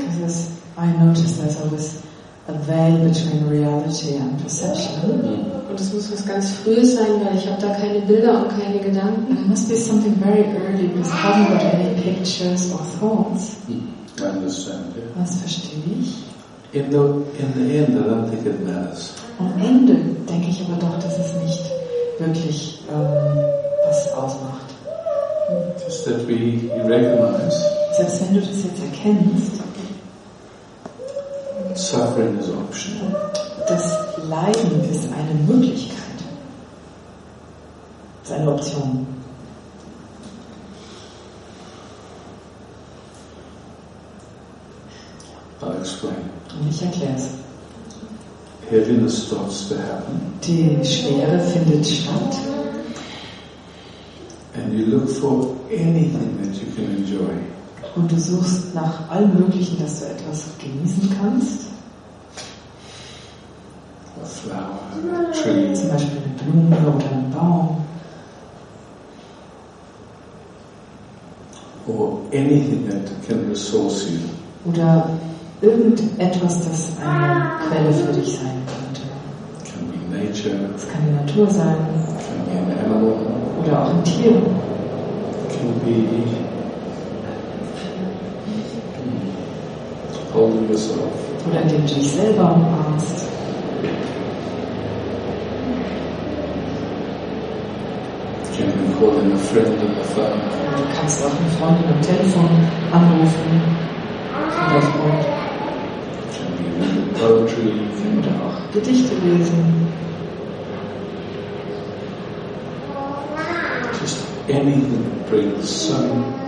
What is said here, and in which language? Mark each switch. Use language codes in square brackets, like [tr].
[en] Because I notice there's always a veil between reality and perception. [de] Und es muss was ganz Frühes sein, weil ich habe da keine Bilder und keine Gedanken. [en] It must be something very early, because I haven't got any pictures or thoughts. I understand. Yeah. [de] Das verstehe ich. [en] In the end, I don't think it matters. [de] Am Ende denke ich aber doch, dass es nicht wirklich was ausmacht. [en] Just that we recognize. [de] Selbst wenn du das jetzt erkennst, [en] suffering is optional. [de] Das Leiden ist eine Möglichkeit. Es ist eine Option. [en] I'll explain. [de] Und ich erkläre es. [en] Heaviness starts to happen. [de] Die Schwere findet statt. [en] And you look for anything that you can enjoy. [de] Und du suchst nach allem Möglichen, dass du etwas genießen kannst. [en] A flower, a tree. [de] Zum Beispiel eine Blume oder einen Baum. [en] Or anything that can resource you. [de] Oder irgendetwas, das eine Quelle für dich sein könnte. [en] It can be nature. [de] Es kann die Natur sein. [en] It can be an animal. [de] Oder auch ein Tier. [en] It can be holding yourself. [de] Oder indem du dich selber umarmst. [en] You can even call in a friend on the phone. [de] Du kannst auch einen Freund am Telefon anrufen. Oder Freund. [en] Can be reading poetry. [de] Oder auch Gedichte lesen. [en] Just anything that brings some.